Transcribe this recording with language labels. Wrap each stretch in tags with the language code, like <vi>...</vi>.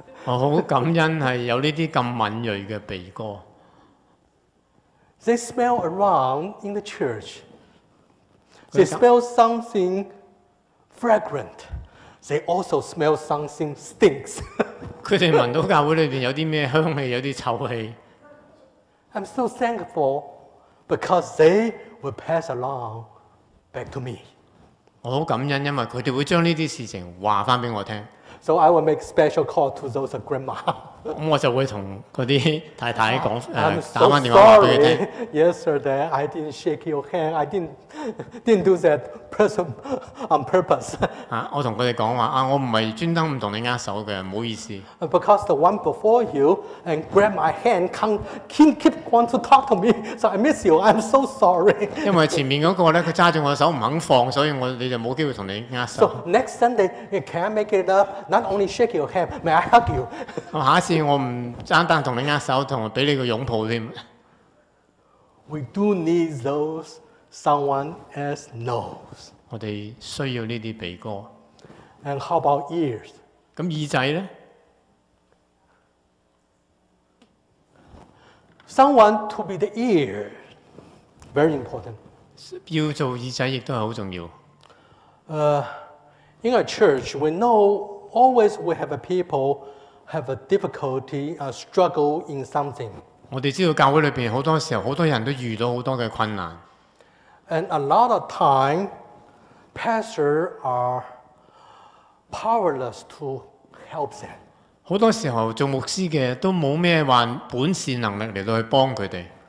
<yue>我好感恩係有呢啲咁敏鋭嘅鼻哥。</yue> <en>They smell around in the church. They smell something fragrant. They also smell something stinks.</en> <yue>佢哋聞到教會裏邊有啲咩香氣，有啲臭氣。</yue> <en>I'm so thankful because they will pass along back to me.</en> <yue>我好感恩，因為佢哋會將呢啲事情話翻俾我聽。</yue> <en>So I will make special call to those grandma.</en> <yue>我就會同嗰啲太太講，打翻電話話俾佢聽。</yue> <en>Yesterday I didn't shake your hand. I didn't do that person on purpose.</en> <yue>我同佢哋講話，我唔係專登唔同你握手嘅，唔好意思。</yue> <en>Because the one before you and grab my hand, keep want to talk to me, so I miss you. I'm so sorry.</en> <yue>因為前面嗰個咧，佢揸住我手唔肯放，所以你就冇機會同你握手。</yue> <en>So next Sunday, can I make it up? Not only shake your hand, may I hug you?</en> <yue>下次我唔單單同你握手，同埋俾你個擁抱添。</yue> <en>We do need those someone as nose。</en> <yue>我哋需要呢啲鼻哥。</yue> <en>And how about ears？</en> <yue>咁耳仔咧</yue> <en>？Someone to be the ear， very important。</en> <yue>要做耳仔亦都係好重要。</yue> <en>In a church, we know always we have a people。 Have a difficulty, a struggle in something.</en> <yue>我哋知道教会里边好多时候，好多人都遇到好多嘅困难。</yue> <en>And a lot of time, pastors are powerless to help them.</en> <yue>好多时候做牧师嘅都冇咩话本事能力嚟到去帮佢哋。</yue>